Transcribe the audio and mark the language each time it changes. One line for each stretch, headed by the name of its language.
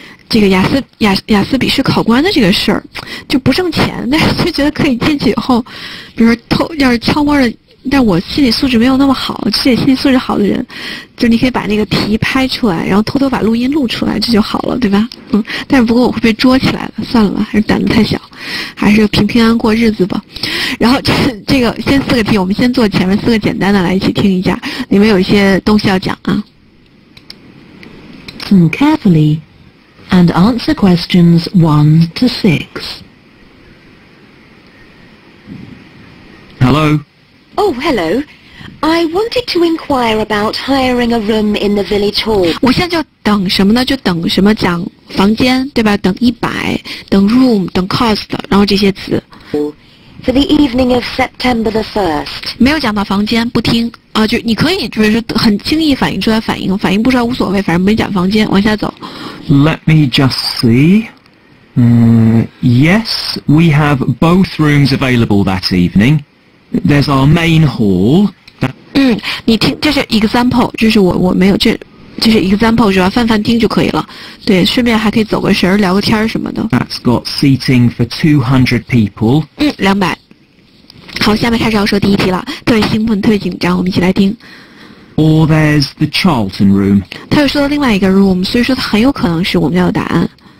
Chinese: 这个雅思笔试考官的这个事儿，就不挣钱，但是就觉得可以进去以后，比如说偷，要是悄摸的，但我心理素质没有那么好，这些心理素质好的人，就你可以把那个题拍出来，然后偷偷把录音录出来，这就好了，对吧？嗯，但是不过我会被捉起来了，算了吧，还是胆子太小，还是平平安过日子吧。然后这个先四个题，我们先做前面四个简单的来一起听一下，里面有一些东西要讲啊。
English: Listen carefully. And answer questions 1 to 6. Hello. Oh, hello. I wanted to inquire about hiring a room in the village hall.
Chinese: 我现在就等什么呢？就等什么讲房间，对吧？等100，等 room， 等 cost， 然后这些词。
English: For the evening of September the 1st.
Chinese: 没有讲到房间，不听啊，就你可以就是很轻易反应出来反应不出来无所谓，反正没讲房间，往下走。
English: Let me just see. Yes, we have both rooms available that evening. There's our main hall.
Chinese: 你听，这是 example， 就是我没有这，这是 example 是吧？泛泛听就可以了。对，顺便还可以走个神儿，聊个天儿什么的。
English: That's got seating for 200 people.
Chinese: 200。好，下面开始要说第一题了，特别兴奋，特别紧张，我们一起来听。
English: Or there's the Charlton room.
Chinese: 他又说了另外一个 room， 所以说很有可能是我们要的答案。